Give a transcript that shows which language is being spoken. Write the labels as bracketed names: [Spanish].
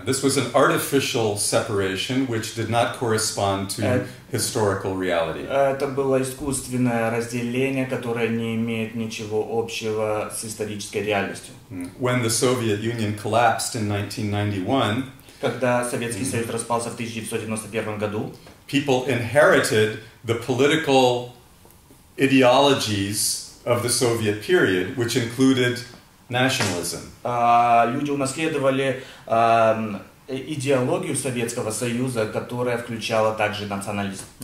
[English] Yeah, this was an artificial separation, which did not correspond to historical reality. [Russian] Это было искусственное разделение, которое не имеет ничего общего с исторической реальностью. [English] When the Soviet Union collapsed in 1991, [Russian] когда Советский Союз распался в 1991 году, [English] people inherited the political ideologies of the Soviet period, which included nationalism. [Russian] Люди унаследовали идеологию Советского Союза, которая включала также национализм.